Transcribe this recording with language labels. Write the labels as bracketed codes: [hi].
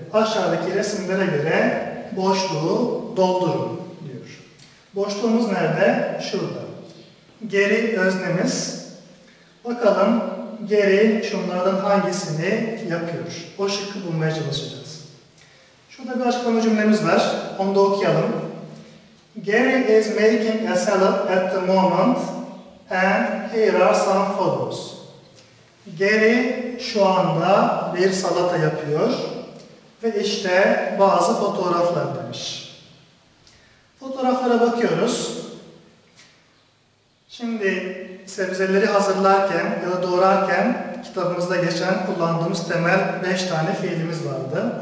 [tr] Aşağıdaki resimlere göre boşluğu doldurun. Boşluğumuz nerede? Şurada. Geri öznemiz. Bakalım geri şunlardan hangisini yapıyor? O şıkkı bulmaya çalışacağız. Şurada bir açıklama cümlemiz var. Onu da okuyalım. [en] Gary is making a salad at the moment and here are some photos. [tr] Gary şu anda bir salata yapıyor ve işte bazı fotoğraflar demiş. Fotoğraflara bakıyoruz. Şimdi sebzeleri hazırlarken ya da doğrarken kitabımızda geçen kullandığımız temel 5 tane fiilimiz vardı.